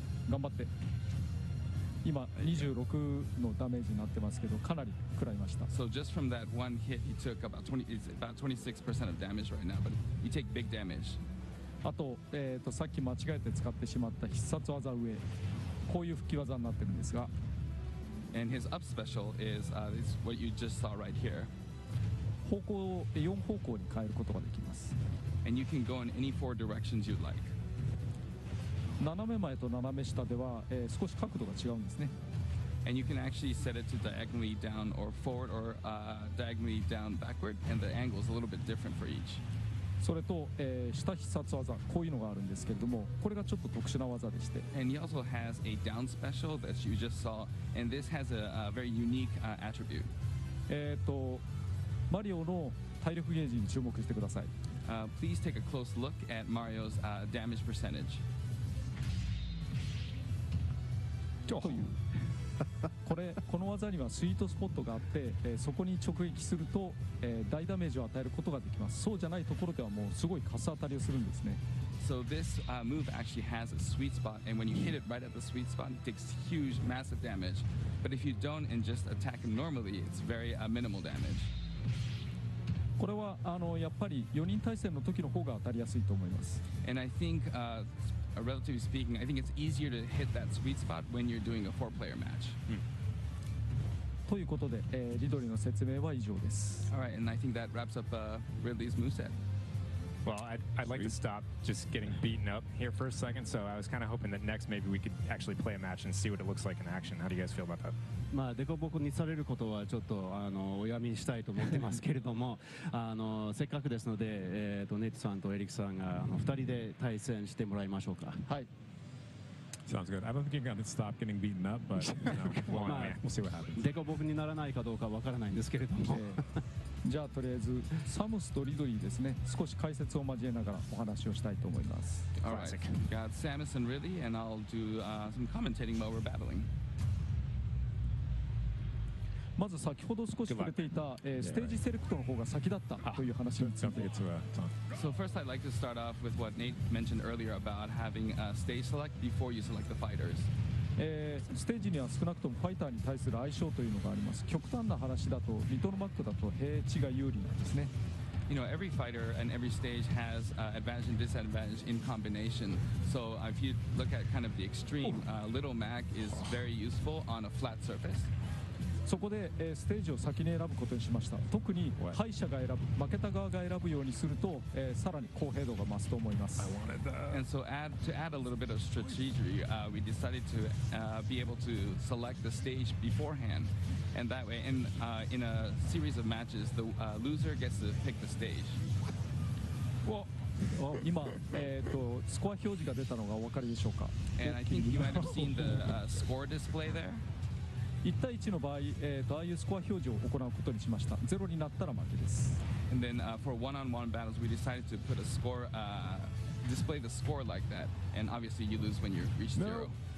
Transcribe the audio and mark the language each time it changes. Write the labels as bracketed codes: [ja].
[ja] 頑張って。今26のダメージになってますけど、かなり食らいました。 [en] So just from that one hit, he took about 26% of damage right now, but you take big damage. [ja] あと、さっき間違えて使ってしまった必殺技上、こういう吹き技になってるんですが。 [en] And his up special is what you just saw right here. [ja] 方向を4方向に変えることができます。 [en] And you can go in any four directions you'd like. [ja] 斜め前と斜め下では、少し角度が違うんですね。 [en] And you can actually set it to diagonally down or forward or diagonally down backward, and the angle is a little bit different for each. [ja] それと、下必殺技、こういうのがあるんですけれども、これがちょっと特殊な技でして。 [en] And he also has a down special that you just saw, and this has a very unique attribute. [ja] マリオの体力ゲージに注目してください。 [en] Please take a close look at Mario's damage percentage. [ja] という。これ、この技にはスイートスポットがあって、そこに直撃すると、大ダメージを与えることができます。そうじゃないところではもうすごいカス当たりをするんですね。 [en] So this move actually has a sweet spot, and when you hit it right at the sweet spot, it takes huge, massive damage. But if you don't and just attack normally, it's very minimal damage. [ja] これはやっぱり4人対戦の時の方が当たりやすいと思います。 [en] And I think, relatively speaking, I think it's easier to hit that sweet spot when you're doing a four-player match. [ja] ということで、リドリーの説明は以上です。 [en] All right, and I think that wraps up Ridley's moveset. Well, I'd like to stop just getting beaten up here for a second, so I was kind of hoping that next maybe we could actually play a match and see what it looks like in action. How do you guys feel about that? [ja] まあ、デコボコにされることはちょっとお読みしたいと思ってますけれどもせっかくですので、ネッツさんとエリックさんが2人で対戦してもらいましょうか。はい。 [en] Sounds good. I don't think you're going to stop getting beaten up, but you know, we'll see what happens. [ja] デコボコにならないかどうかわからないんですけれども。じゃあとりあえずサムスとリドリーですね。少し解説を交えながらお話をしたいと思います。 [en] All right. Got Samus and Ridley, and I'll do some commentating while we're battling. [ja] まず先ほど少し触れていた、ステージセレクトの方が先だったという話について。 [en] So first I'd like to start off with what Nate mentioned earlier about having a stage select before you select the fighters. [ja] ステージには少なくともファイターに対する相性というのがあります。極端な話だと、リトルマックだと平地が有利なんですね。 [en] You know, every fighter and every stage has advantage and disadvantage in combination. So if you look at kind of the extreme, Little Mac is very useful on a flat surface. [ja] そこで、ステージを先に選ぶことにしました。特に敗者が選ぶ、負けた側が選ぶようにすると、さらに公平度が増すと思います。 [en] And so to add a little bit of strategy, we decided to be able to select the stage beforehand. And that way, in a series of matches, the loser gets to pick the stage. Well, [ja] 今、スコア表示が出たのがお分かりでしょうか。 [en] And I think you might have seen the score display there. [ja] 1対1の場合、ああいうスコア表示を行うことにしました。ゼロになったら負けです。 [en] And then, for one-on-one battles, we decided to put a score, display the score like that. And obviously, you lose when you reach zero.